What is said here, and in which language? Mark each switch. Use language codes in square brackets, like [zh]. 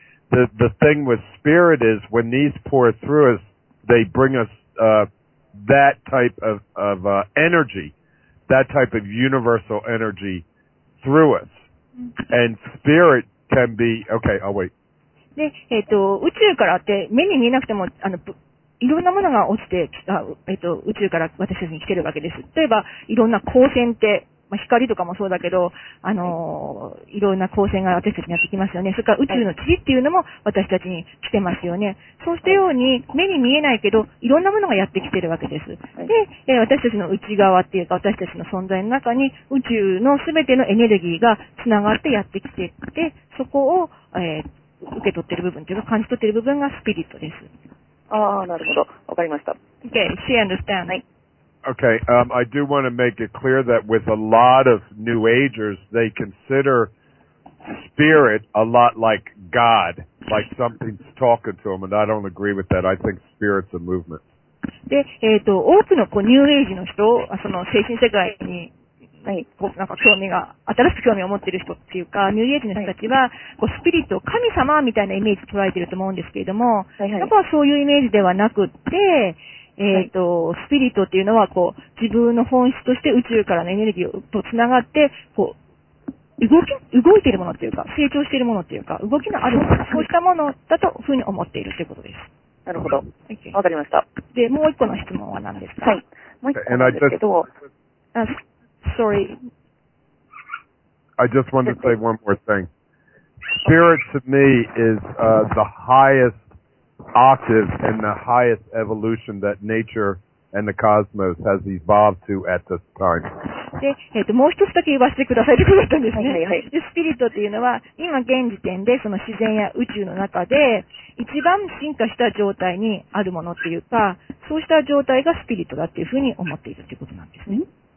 [en] The thing with spirit is when these pour through us, they bring us, that type of energy, that type of universal energy through us. And spirit can be, okay, I'll wait. [ja] 宇宙からって目に見えなくても、いろんなものが落ちて、宇宙から私たちに来てるわけです。例えば、いろんな光線って、まあ、光とかもそうだけど、いろんな光線が私たちにやってきますよね。それから宇宙の塵っていうのも私たちに来てますよね。そうしたように、目に見えないけど、いろんなものがやってきてるわけです。で、私たちの内側っていうか、私たちの存在の中に、宇宙のすべてのエネルギーが繋がってやってきてって、そこを、受け取ってる部分っていうか、感じ取ってる部分がスピリットです。ああ、なるほど。わかりました。 [en] Okay, she understands. [ja] はい。 [en] Okay. I do want to make it clear that with a lot of New Agers, they consider spirit a lot like God, like something's talking to them, and I don't agree with that. I think spirit's a movement. [ja] で、多くのこうニューエイジの人、その精神世界に、はい、こうなんか興味が、新しく興味を持っている人っていうか、ニューエイジの人たちは、こうスピリット、神様みたいなイメージを捉えていると思うんですけれども、はいはい、やっぱそういうイメージではなくって、スピリットっていうのはこう、自分の本質として宇宙からのエネルギーとつながって、こう、動いているものっていうか、成長しているものっていうか、動きのある、そうしたものだとふうに思っているということです。なるほど。わかりました。で、もう一個の質問は何ですか？はい。もう一個なんですけど、 [en] sorry. I just wanted to say one more thing. Spirit to me is, the highest octave and the highest evolution that nature and the cosmos has evolved to at this time. [ja] で、もう一つだけ言わせてくださいってことだったんですね。はいはいはい。で、スピリットっていうのは、今現時点でその自然や宇宙の中で、一番進化した状態にあるものっていうか、そうした状態がスピリットだっていうふうに思っているっていうことなんですね。